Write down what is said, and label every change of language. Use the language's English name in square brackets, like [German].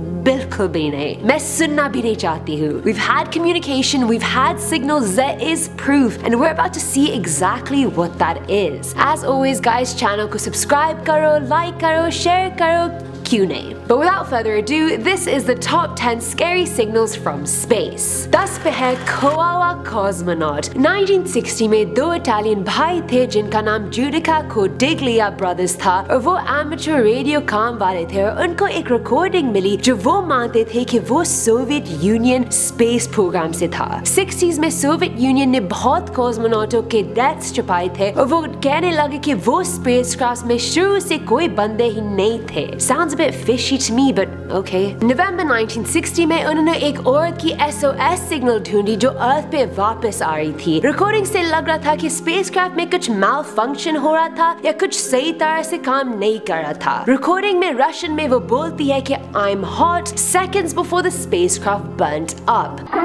[Hindi] बिल्कुल भी नहीं, मैं सुनना भी नहीं चाहती हूँ. [English] We've had communication, we've had signals, there is proof, and we're about to see exactly what that is. As always, guys, [Hindi] channel को subscribe करो, like करो, share करो, क्यों नहीं? [English] But without further ado, this is the top 10 scary signals from space. [Hindi] 10 पे है KOHAWA cosmonaut. 1960 में दो इटालियन भाई थे जिनका नाम जुडिका को डिग्लिया ब्रदर्स था और वो एमेचर रेडियो काम वाले थे और उनको एक रिकॉर्डिंग मिली जो वो मानते थे कि वो सोवियत यूनियन स्पेस प्रोग्राम से था. 60s में सोवियत यूनियन ने बहुत कॉस्मोनॉटों के डेथ्स छुपाए थे और वो कहने लगे कि वो स्पेसक्राफ्ट में शुरू से कोई बंदे ही नहीं थे. [English] Sounds a bit fishy to me, but okay. [Hindi] November 1960 में उन्होंने एक औरत की SOS सिग्नल ढूंढी जो अर्थ पे वापस आ रही थी. रिकॉर्डिंग से लग रहा था कि स्पेसक्राफ्ट में कुछ मैलफंक्शन हो रहा था या कुछ सही तरह से काम नहीं कर रहा था. रिकॉर्डिंग में रशियन में वो बोलती है कि [English] I'm hot seconds before the spacecraft burnt up.